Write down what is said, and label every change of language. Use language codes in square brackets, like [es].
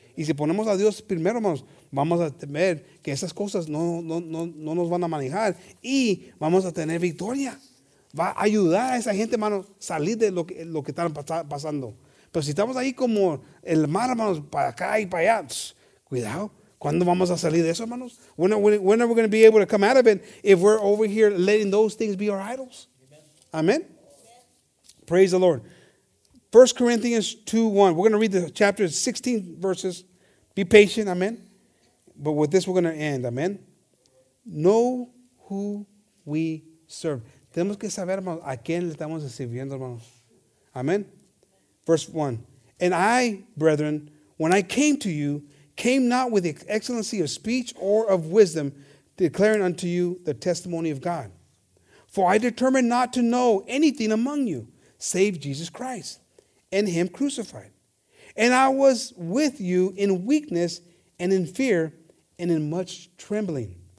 [es] Y si ponemos a Dios primero, hermanos, vamos a temer que esas cosas no nos van a manejar y vamos a tener victoria. Va a ayudar a esa gente, hermanos, salir de lo que están pasando. Pero si estamos ahí como el mar, hermanos, para acá y para allá, cuidado. ¿Cuándo vamos a salir de eso, hermanos? [en] When are we going to be able to come out of it if we're over here letting those things be our idols? Amen. Praise the Lord. 1 Corinthians 2:1. We're going to read the chapter 16 verses. Be patient, amen. But with this, we're going to end, amen. Know who we serve. [es] Tenemos que saber, hermanos, a quién le estamos sirviendo, hermanos. [en] Amen. Verse 1. And I, brethren, when I came to you, came not with the excellency of speech or of wisdom, declaring unto you the testimony of God. For I determined not to know anything among you, save Jesus Christ. And him crucified. And I was with you in weakness and in fear and in much trembling.